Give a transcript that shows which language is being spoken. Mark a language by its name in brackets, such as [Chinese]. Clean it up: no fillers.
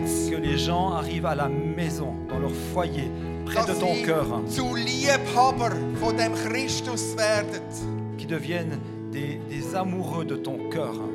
[French] Que les gens arrivent à la maison, dans leur foyer, près de ton cœur. [German] Zu Liebhaber von dem Christus werden. [French] Qui deviennent des amoureux de ton cœur.